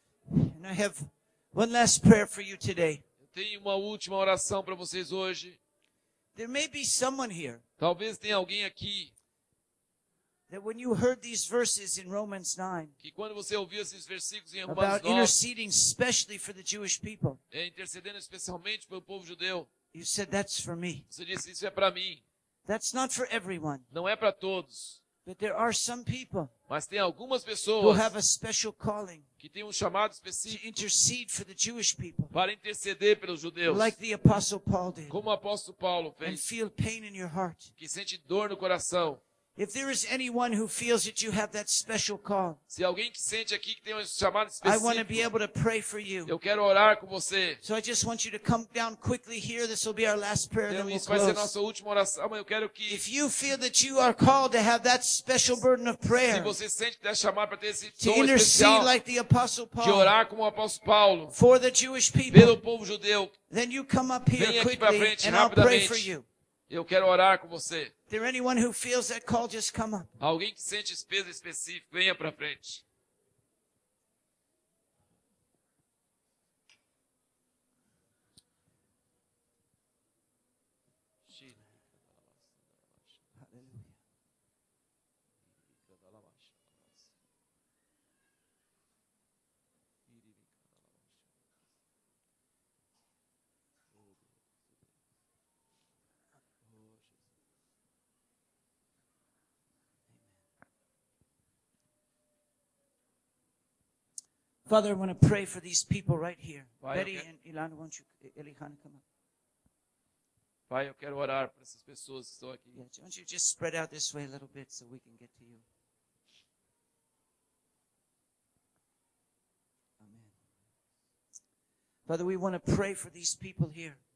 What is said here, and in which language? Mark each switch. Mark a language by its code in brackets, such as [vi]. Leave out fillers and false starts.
[en] And I have one last prayer for you today. [pt] Eu tenho uma última oração para vocês hoje. [en] There may be someone here. [pt] Talvez tenha alguém aqui. [en] That when you heard these verses in Romans 9. [pt] Que quando você ouviu esses versículos em Romanos 9. [en] About interceding especially for the Jewish people. [pt] É intercedendo especialmente pelo povo judeu. [en] You said that's for me. [pt] Você disse isso é para mim. [en] That's not for everyone. [pt] Não é para todos. [en] But there are some people. [pt] Mas tem algumas pessoas [en] who have a special calling [pt] que têm um chamado específico [en] to intercede for the Jewish people, [pt] para interceder pelos judeus, [en] like the Apostle Paul did, [pt] como o apóstolo Paulo fez, [en] and feel pain in your heart. [pt] Que sente dor no coração. [en] If there is anyone who feels that you have that special call, [pt] se alguém que sente aqui que tem um chamado específico, [en] I want to be able to pray for you. [pt] Eu quero orar com você. [en] So I just want you to come down quickly here. This will be our last prayer. [pt] Então, [en] then [pt] isso [en] we'll [pt] vai Ser nossa última oração, mas eu quero que. [en] If you feel that you are called to have that special burden of prayer, [pt] se você sente que é chamado para ter esse [en] to intercede like the Apostle Paul, [pt] de orar como o apóstolo Paulo, [en] for the Jewish people, [pt] pelo povo judeu, [en] then you come up here [pt] vem aqui [en] quickly, [pt] para frente [en] and [pt] rapidamente. [en] I'll pray for you. [pt] Eu quero orar com você. [en] There anyone who feels that call, just come up. [pt] Alguém que sente esse peso específico, venha para frente. [en] Father, I want to pray for these people right here. [pt] Pai, Betty quero... [en] and Ilana, won't you, Elihan, come up. [pt] Pai, eu quero orar por essas pessoas que estão aqui. [en] Yeah, won't you just spread out this way a little bit so we can get to you. Amen. Father, we want to pray for these people here.